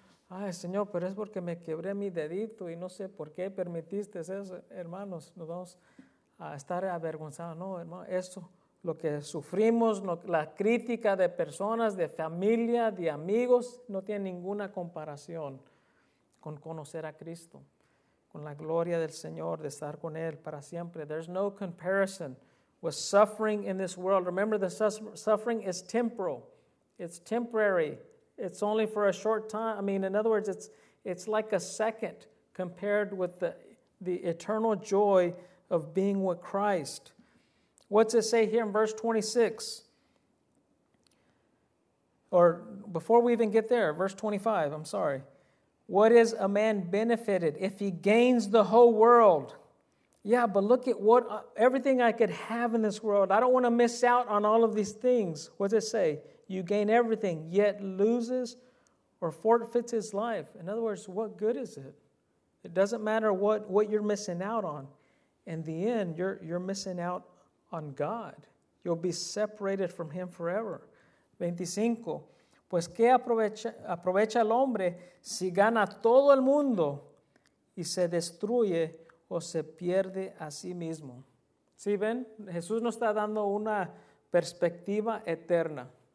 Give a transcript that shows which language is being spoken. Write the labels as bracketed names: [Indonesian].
[Spanish] Ay, Señor, pero es porque me quebré mi dedito y no sé por qué permitiste eso, hermanos, nos vamos a estar avergonzados. No, hermano, eso, lo que sufrimos, la crítica de personas, de familia, de amigos, no tiene ninguna comparación con conocer a Cristo, con la gloria del Señor, de estar con Él para siempre. [English] There's no comparison with suffering in this world. Remember, the suffering is temporal. It's temporary. It's only for a short time. I mean, in other words, it's like a second compared with the eternal joy of being with Christ. What's it say here in verse 26? Or before we even get there, verse 25, I'm sorry. What is a man benefited if he gains the whole world? Yeah, but look at what everything I could have in this world. I don't want to miss out on all of these things. What does it say? You gain everything, yet loses or forfeits his life. In other words, what good is it? It doesn't matter what you're missing out on. In the end, you're missing out on God. You'll be separated from him forever. 25. [Spanish] Pues qué aprovecha el hombre si gana todo el mundo y se destruye o se pierde a sí mismo. ¿Sí ven? Jesús nos está dando una perspectiva eterna.